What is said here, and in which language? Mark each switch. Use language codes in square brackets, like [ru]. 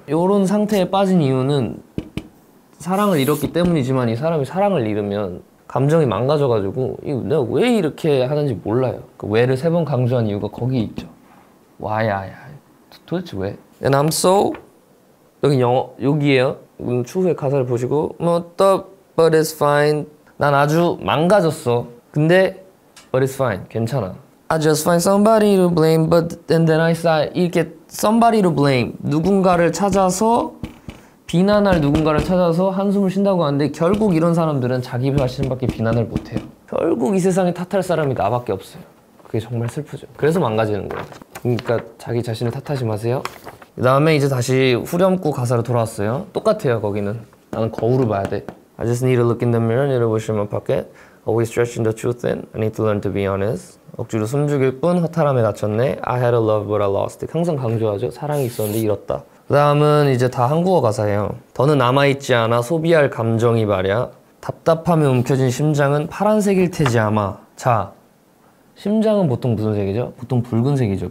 [ko] 이런 상태에 빠진 이유는 사랑을 잃었기 때문이지만 이 사람이 사랑을 잃으면 감정이 망가져가지고 내가 왜 이렇게 하는지 몰라요. 그 왜를 세 번 강조한 이유가 거기 있죠. [en] Why, I. [ko] 도대체 왜? [en] And I'm so... [ko] 여기 영어, 여기에요. 추후에 가사를 보시고 뭐, [en] but it's fine. [ko] 난 아주 망가졌어. 근데 [en] but it's fine. [ko] 괜찮아. [en] I just find somebody to blame, but then I say [ko] 이렇게 [en] somebody to blame. [ko] 누군가를 찾아서 비난할 누군가를 찾아서 한숨을 쉰다고 하는데 결국 이런 사람들은 자기 자신밖에 비난을 못해요. 결국 이 세상에 탓할 사람이 나밖에 없어요. 그게 정말 슬프죠. 그래서 망가지는 거예요. 그러니까 자기 자신을 탓하지 마세요. 그 다음에 이제 다시 후렴구 가사로 돌아왔어요. 똑같아요, 거기는. 나는 거울을 봐야 돼. [en] I just need to look in the mirror, need to wish in my pocket. Always stretching the truth in. I need to learn to be honest. [ko] 억지로 숨죽일 뿐 허탈함에 갇혔네. [en] I had a love but I lost it. [ko] 항상 강조하죠. 사랑이 있었는데 잃었다. 그 다음은 이제 다 한국어 가사예요. 더는 남아있지 않아 소비할 감정이 말야. 답답함에 움켜진 심장은 파란색일 테지 아마. 자, 심장은 보통 무슨 색이죠? 보통 붉은색이죠.